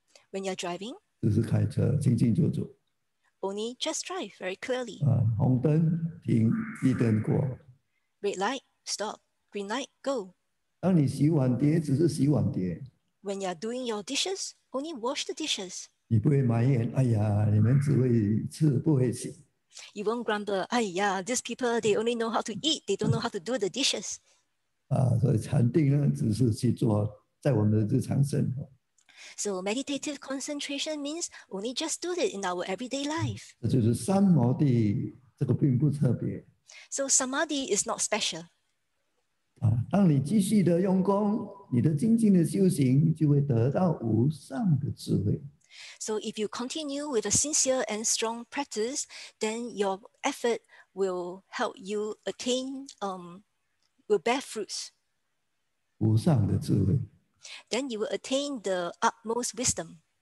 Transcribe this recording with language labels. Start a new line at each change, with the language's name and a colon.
English: when you're driving.
Chinese: 只是开车, 清清楚楚,
English: only just drive very clearly.
Chinese: 啊, 红灯, 停, 一灯过,
English: red light, stop. Green light, go.
Chinese: 当你洗碗碟, 只是洗碗碟,
English: when you're doing your dishes, only wash the dishes.
Chinese: 你不会埋怨, 哎呀, 你们只会吃, 不会洗。
English: You won't grumble, aiya, these people, they only know how to eat, they don't know how to do the dishes.
Chinese: 啊, 所以禅定呢, 只是去做, 在我们的日常生活。
English: So meditative concentration means only just do it in our everyday life.
Chinese: 这就是三摩地, 这个并不特别。
English: So samadhi is not special.
Chinese: 啊, 当你继续的用功, 你的精进的修行就会得到无上的智慧。
English: So if you continue with a sincere and strong practice, then your effort will help you attain, will bear fruits.
Chinese: 无上的智慧。
English: Then you will attain the utmost wisdom.